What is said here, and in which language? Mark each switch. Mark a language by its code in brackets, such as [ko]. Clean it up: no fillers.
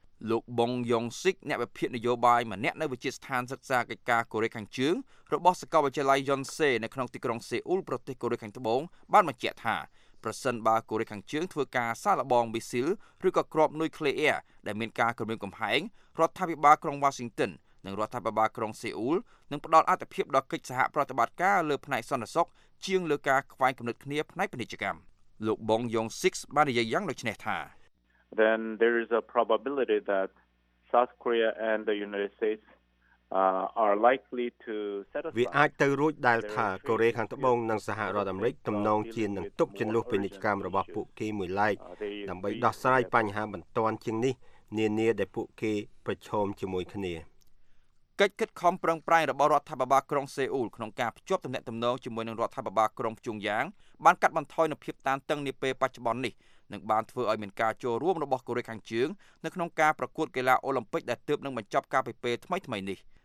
[km] លោកបុងយ៉ុងស៊ីកអ្នកវិភាគនយោបាយម្នាក់នៅវិទ្យាស្ថានសិក្សាកិច្ចការកូរ៉េខាងជើងរបស់សាកលវិទ្យាល័យយុនសេនៅក្នុងទីក្រុងសេអ៊ូលប្រទេសកូរ៉េខាងត្បូងបានបញ្ជាក់ថាប្រសិនបើកូរ៉េខាងជើងធ្វើការសាកល្បងមីស៊ីលឬក៏គ្រាប់នុយក្លេអ៊ែរដែលមានការគម្រាមកំហែងរដ្ឋាភិបាលក្រុងវ៉ាស៊ីនតោននិងរដ្ឋាភិបាលក្រុងសេអ៊ូលនឹងផ្ដល់អត្ថប្រយោជន៍ដល់កិច្ចសហប្រតិបត្តិការលើផ្នែកសន្តិសុខជាងលើការខ្វែងគំនិតគ្នាផ្នែកពាណិជ្ជកម្មលោកបុងយ៉ុងស៊ីកបាននិយាយយ៉ាងដូចនេះថា [en] Then there is a probability that South Korea and the United States are likely to set aside. [km] វាអាចទៅរួចដែលថាកូរ៉េខាងត្បូងនិងសហរដ្ឋអាមេរិកទំនងជានឹងទប់ចំនួនពាណិជ្ជកម្មរបស់ពួកគេមួយឡែកដើម្បីដោះស្រាយបញ្ហាបន្ទាន់ជាងនេះនានាដែលពួកគេប្រឈមជាមួយគ្នា កិច្ចខិតខំប្រឹងប្រែងរបស់រដ្ឋាភិបាលក្រុងសេអ៊ូលក្នុងការភ្ជាប់ទំនាក់ទំនងជាមួយនឹងរដ្ឋាភិបាលក្រុងព្យុងយ៉ាងបានកាត់បន្ថយនូវភាពតានតឹងនាពេលបច្ចុប្បន្ននេះនឹងបានធ្វើឲ្យមានការចូលរួមរបស់កូរ៉េខាងជើងនៅក្នុងការប្រកួតកីឡាអូឡ িম্প ិកដែលទើបនឹងបញ្ចប់ការប្រកួតថ្មីៗនេះ